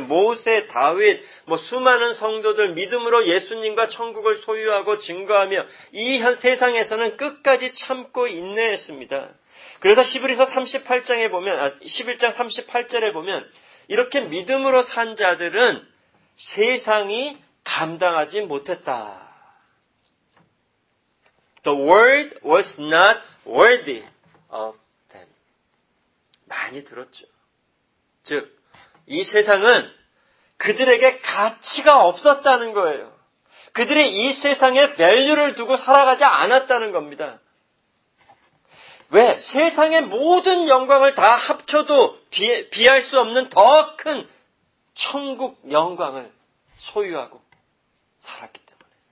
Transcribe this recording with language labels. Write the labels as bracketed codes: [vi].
[ko] 모세, 다윗, 뭐 수많은 성도들 믿음으로 예수님과 천국을 소유하고 증거하며 이 현 세상에서는 끝까지 참고 인내했습니다. 그래서 히브리서 38장에 보면 11장 38절에 보면 이렇게 믿음으로 산 자들은 세상이 감당하지 못했다. [en] The world was not worthy of them. [ko] 많이 들었죠. 즉, 이 세상은 그들에게 가치가 없었다는 거예요. 그들이 이 세상에 밸류를 두고 살아가지 않았다는 겁니다. 왜? 세상의 모든 영광을 다 합쳐도 비할 수 없는 더 큰 천국 영광을 소유하고 살았기 때문에.